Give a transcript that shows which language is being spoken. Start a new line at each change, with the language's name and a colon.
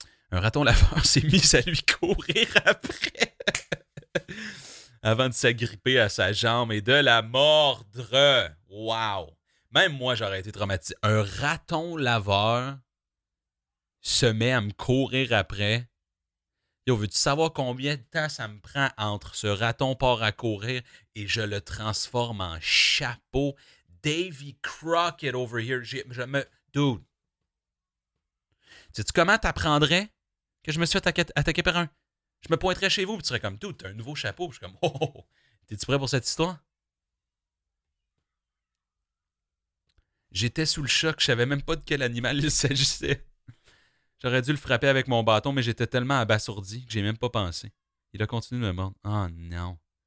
French: Un raton laveur s'est mis à lui courir après avant de s'agripper à sa jambe et de la mordre. Wow! Même moi, j'aurais été traumatisé. Un raton laveur se met à me courir après. Yo, veux-tu savoir combien de temps ça me prend entre ce raton part à courir et je le transforme en chapeau?
English: Davy Crockett over here. Dude.
French: Sais-tu comment t'apprendrais que je me suis attaqué par un? Je me pointerais chez vous et tu serais comme, dude, t'as un nouveau chapeau. Puis je suis comme, oh, t'es-tu prêt pour cette histoire? J'étais sous le choc, je savais même pas de quel animal il s'agissait. J'aurais dû le frapper avec mon bâton, mais j'étais tellement abasourdi que j'ai même pas pensé. Il a continué de me mordre. Oh non.